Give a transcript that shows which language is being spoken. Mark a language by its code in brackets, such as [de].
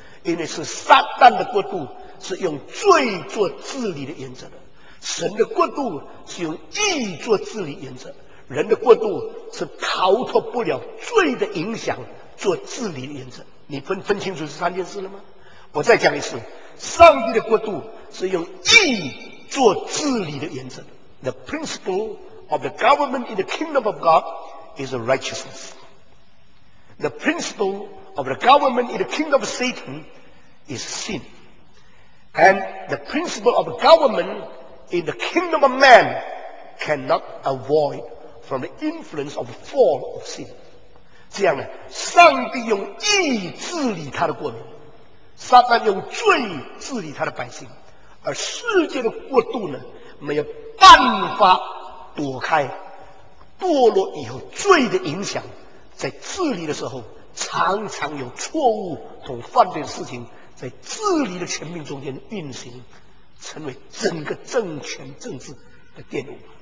[zh] 因为是撒旦的国度是用罪做治理的原则的，神的国度是用义做治理原则，人的国度是逃脱不了罪的影响做治理的原则。你分清楚这三件事了吗？我再讲一次，上帝的国度是用义做治理的原则。 [en] The principle of the government in the kingdom of God is righteousness. The principle of the government in the kingdom of Satan is sin. And the principle of government in the kingdom of man cannot avoid from the influence of the fall of sin. [zh] 这样呢，上帝用义治理他的国民，撒旦用罪治理他的百姓，而世界的国度呢，没有办法躲开堕落以后罪的影响，在治理的时候常常有错误同犯罪的事情在治理的权柄中间运行，成为整个政权政治的玷污。